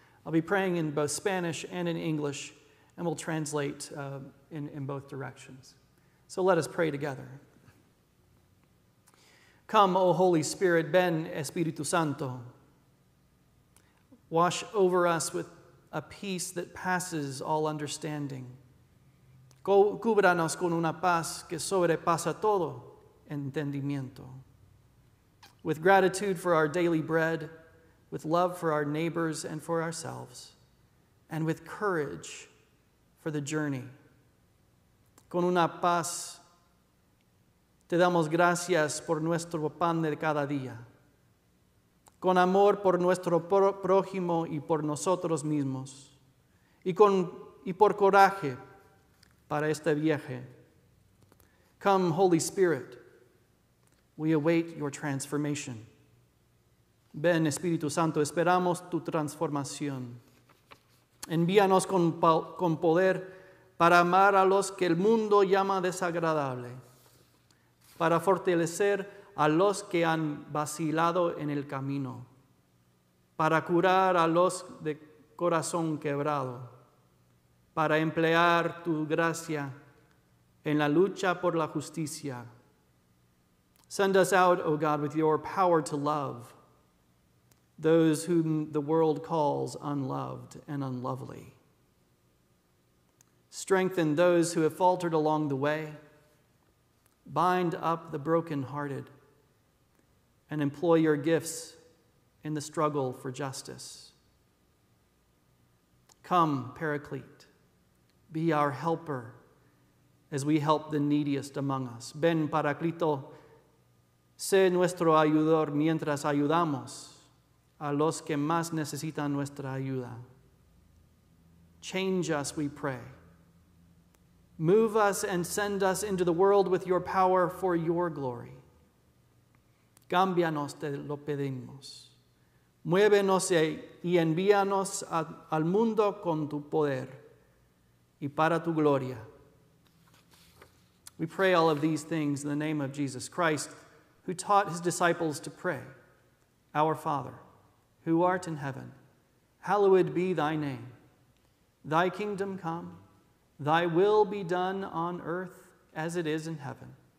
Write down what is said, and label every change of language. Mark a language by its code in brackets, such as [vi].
[en] I'll be praying in both Spanish and in English, and we'll translate in both directions. So let us pray together. Come, O Holy Spirit, [es] ven Espíritu Santo. [en] Wash over us with a peace that passes all understanding. [es] Cúbranos con una paz que sobrepasa todo entendimiento. [en] With gratitude for our daily bread, with love for our neighbors and for ourselves, and with courage for the journey. [es] Con una paz, te damos gracias por nuestro pan de cada día. Con amor por nuestro prójimo y por nosotros mismos. Y por coraje para este viaje. [en] Come, Holy Spirit, we await your transformation. [es] Ven, Espíritu Santo, esperamos tu transformación. Envíanos con poder para amar a los que el mundo llama desagradable, para fortalecer a los que han vacilado en el camino, para curar a los de corazón quebrado, para emplear tu gracia en la lucha por la justicia. [en] Send us out, O God, with your power to love those whom the world calls unloved and unlovely. Strengthen those who have faltered along the way. Bind up the brokenhearted and employ your gifts in the struggle for justice. Come, Paraclete, be our helper as we help the neediest among us. [es] Ven, Paraclito, sé nuestro ayudador mientras ayudamos a los que más necesitan nuestra ayuda. [en] Change us, we pray. Move us and send us into the world with your power for your glory. [es] Cámbianos, te lo pedimos. Muévenos y envíanos al mundo con tu poder y para tu gloria. [en] We pray all of these things in the name of Jesus Christ, who taught his disciples to pray. Our Father, who art in heaven, hallowed be thy name. Thy kingdom come, thy will be done on earth as it is in heaven.